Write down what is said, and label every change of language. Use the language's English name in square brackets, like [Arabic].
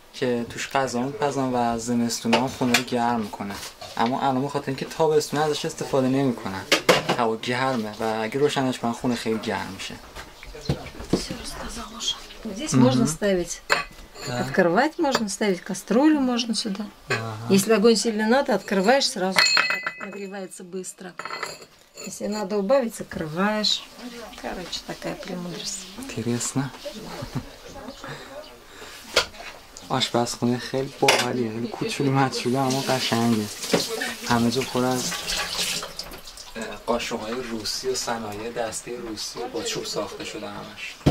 [Persian] که توش غذا میپزن و زمستونه هم خونه رو گرم میکنه، اما الان بخاطر اینکه تابستونه ازش استفاده نمی کنن، هوا گرمه و اگه روشنش کنن خونه خیلی گرم میشه. [Russian] здесь можно ставить открывать можно ставить кастрюлю можно сюда если огонь сильно надо открываешь сразу нагревается быстро если надо убавить закрываешь короче такая премудрость интересно. [Persian] آشپزخونه خیلی باحالیه، خیلی کوچولو مچولو اما قشنگه. همه جا پر از قاشق‌های روسی و صنایع دستی روسی با چوب ساخته شده همش.